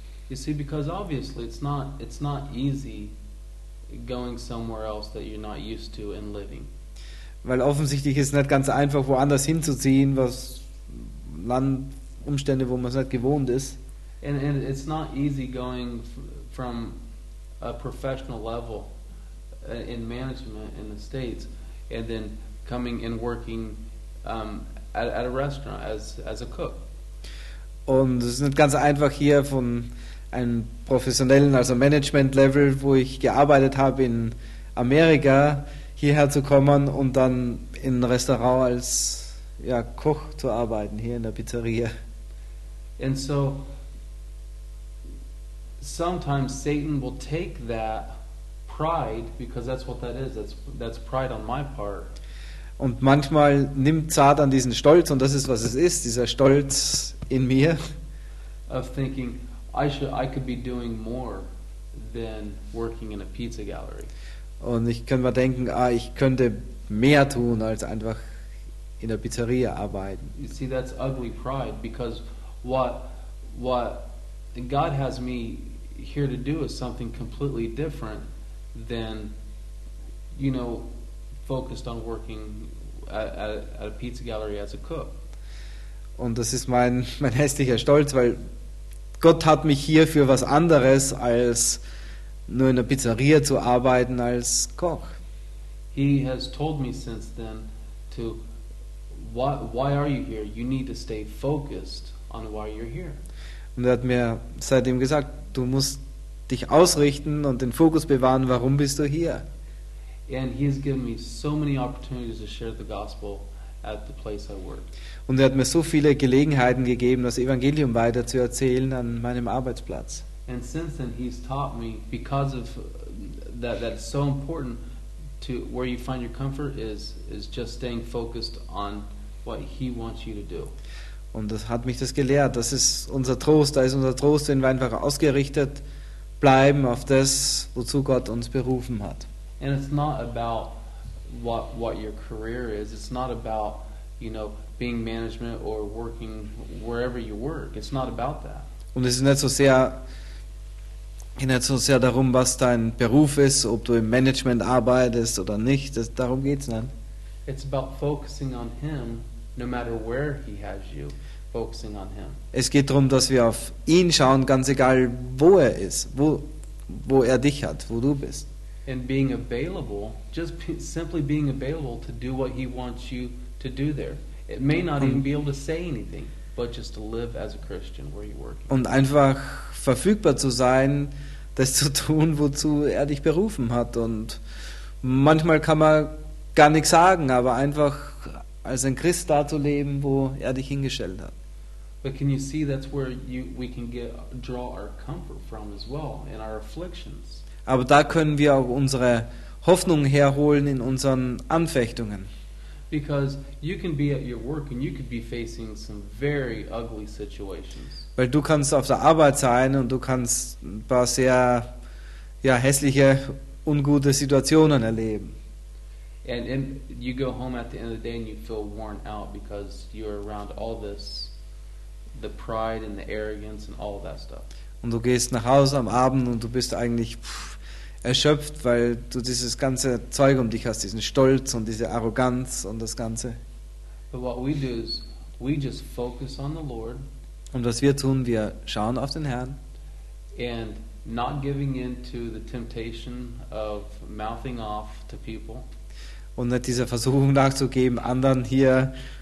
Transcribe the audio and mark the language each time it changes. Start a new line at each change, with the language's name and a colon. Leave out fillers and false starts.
English: You see, because obviously it's not easy going somewhere else that you're not used to and living.
German: Weil offensichtlich ist es nicht ganz einfach, woanders hinzuziehen, was Land, Umstände, wo man es nicht gewohnt ist.
English: And it's not easy going from a professional level in management in the States and then coming and working at a restaurant as a cook.
German: Und es ist nicht ganz einfach hier von einem professionellen, also Management-Level, wo ich gearbeitet habe in Amerika, hierher zu kommen und dann in ein Restaurant als ja, Koch zu arbeiten, hier in der Pizzeria.
English: And so sometimes Satan will take that pride, because that's what that is, that's pride on my part.
German: Und manchmal nimmt Satan diesen Stolz, und das ist, was es ist, dieser Stolz in mir.
English: Of thinking, I could be doing more than working in a pizza gallery.
German: Und ich könnte mal denken, ah, ich könnte mehr tun, als einfach in der Pizzeria arbeiten.
English: You see, that's ugly pride, because what God has me here to do is something completely different than, you know, focused on working at a pizza gallery as a cook.
German: Und das ist mein hässlicher Stolz, weil Gott hat mich hier für was anderes als nur in der Pizzeria zu arbeiten als Koch.
English: He has told me since then to why are you here? You need to stay focused on why you're here.
German: Und er hat mir seitdem gesagt, du musst dich ausrichten und den Fokus bewahren, warum bist du hier?
English: And he has given me so many opportunities to share the gospel at the place I work.
German: Und er hat mir so viele Gelegenheiten gegeben, das Evangelium weiterzuerzählen an meinem Arbeitsplatz.
English: And since then he's taught me, because of that, that's so important to where you find your comfort is just staying focused on what he wants you to do.
German: Und das hat mich das gelehrt, das ist unser Trost, da ist unser Trost, wenn wir einfach ausgerichtet bleiben auf das, wozu Gott uns berufen hat.
English: And it's not about what your career is, it's not about, you know, being management or working wherever you work, it's not about that.
German: Und es ist nicht so sehr, geht nicht so sehr darum, was dein Beruf ist, ob du im Management arbeitest oder nicht. Das, darum geht es nicht.
English: It's about focusing on him, no matter where he has you, focusing on him.
German: Es geht darum, dass wir auf ihn schauen, ganz egal, wo er ist, wo er dich hat, wo du bist.
English: And being available, just simply being available to do what he wants you to do there. It may not even be able to say anything, but just to live as a Christian where you work.
German: Und einfach verfügbar zu sein, das zu tun, wozu er dich berufen hat. Und manchmal kann man gar nichts sagen, aber einfach als ein Christ da zu leben, wo er dich hingestellt hat.
English: But can you see that's where we can get draw our comfort from as well in our afflictions?
German: Aber da können wir auch unsere Hoffnung herholen in unseren Anfechtungen.
English: Because you can be at your work and you could be facing some very ugly situations.
German: Weil du kannst auf der Arbeit sein und du kannst ein paar sehr ja, hässliche, ungute Situationen erleben.
English: And you go home at the end of the day and you feel worn out because you're around all this the pride and the arrogance and all of that stuff.
German: Und du gehst nach Hause am Abend und du bist eigentlich erschöpft, weil du dieses ganze Zeug um dich hast, diesen Stolz und diese Arroganz und das Ganze.
English: But what we do is we just focus on the Lord.
German: Und was wir tun, wir schauen auf den Herrn.
English: And not giving in to the temptation of mouthing off to people.
German: Und nicht dieser Versuchung nachzugeben, anderen hier.